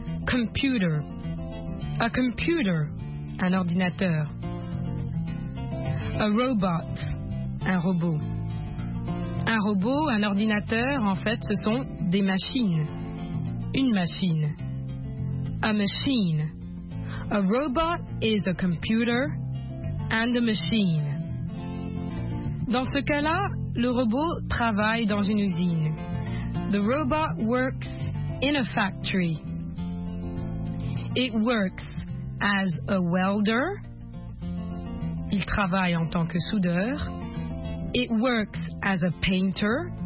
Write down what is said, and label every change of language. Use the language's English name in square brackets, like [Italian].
[English] Computer. A computer. [French] Un ordinateur. [English] A robot. [French] Un robot. Un robot, un ordinateur, en fait, ce sont des machines. Une machine. [English] A machine. A robot is a computer and a machine. [French] Dans ce cas-là, le robot travaille dans une usine. [English] The robot works in a factory. It works as a welder. [French] Il travaille en tant que soudeur. [English] It works as a painter.